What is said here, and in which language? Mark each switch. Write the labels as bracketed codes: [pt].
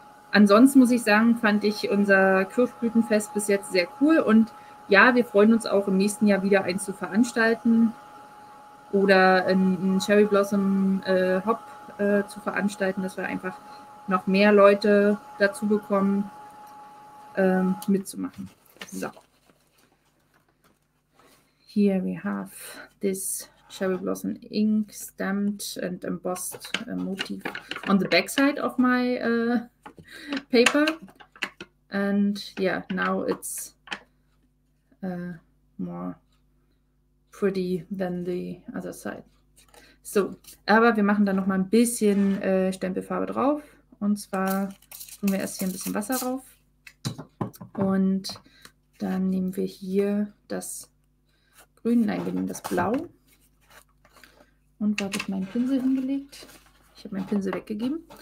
[de] Ansonsten muss ich sagen, fand ich unser Kirschblütenfest bis jetzt sehr cool und ja, wir freuen uns auch im nächsten Jahr wieder eins zu veranstalten oder einen Cherry Blossom Hop zu veranstalten, dass wir einfach noch mehr Leute dazu bekommen, mitzumachen. So. [en] Here we have this Cherry Blossom Ink stamped and embossed motif on the backside of my paper. And yeah, now it's more pretty than the other side. [de] So, aber wir machen dann noch mal ein bisschen Stempelfarbe drauf. Und zwar tun wir erst hier ein bisschen Wasser drauf. Und dann nehmen wir hier das Grün, nein, wir nehmen das Blau. Und da habe ich meinen Pinsel hingelegt. Ich habe meinen Pinsel weggegeben.